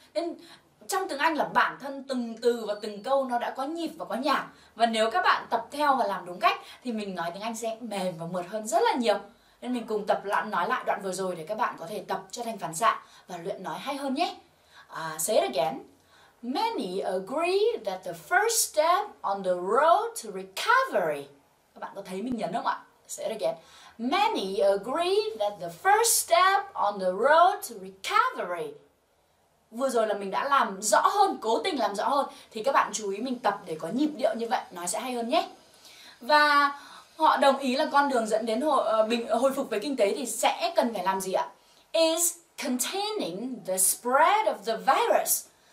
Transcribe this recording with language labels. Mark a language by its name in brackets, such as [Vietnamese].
[Vietnamese] Nên trong tiếng Anh là bản thân từng từ và từng câu nó đã có nhịp và có nhạc. Và nếu các bạn tập theo và làm đúng cách thì mình nói tiếng Anh sẽ mềm và mượt hơn rất là nhiều. Nên mình cùng tập lại nói lại đoạn vừa rồi để các bạn có thể tập cho thành phản xạ và luyện nói hay hơn nhé. [English] Say it again. Many agree that the first step on the road to recovery. [Vietnamese] Các bạn có thấy mình nhấn không ạ? [English] Say it again. Many agree that the first step on the road to recovery. [Vietnamese] Vừa rồi là mình đã làm rõ hơn, cố tình làm rõ hơn. Thì các bạn chú ý mình tập để có nhịp điệu như vậy, nói sẽ hay hơn nhé. Và họ đồng ý là con đường dẫn đến hồi phục về kinh tế thì sẽ cần phải làm gì ạ? [English] Is containing the spread of the virus.